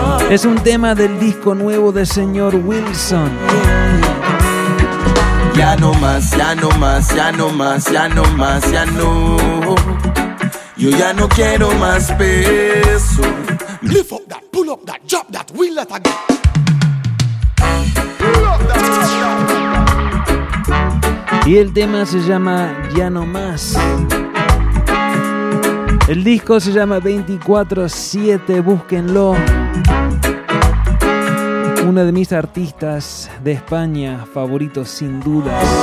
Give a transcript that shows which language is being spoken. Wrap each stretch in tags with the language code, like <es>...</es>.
<es>Es un tema del disco nuevo de señor Wilson. Ya no más, ya no más, ya no más, ya no más, ya no. Yo ya no quiero más peso.</es> <en>Lift up that, pull up that, drop that, wheel that again.</en> <es>Y el tema se llama Ya no más. El disco se llama 24/7, búsquenlo. Uno de mis artistas de España favoritos sin dudas.</es>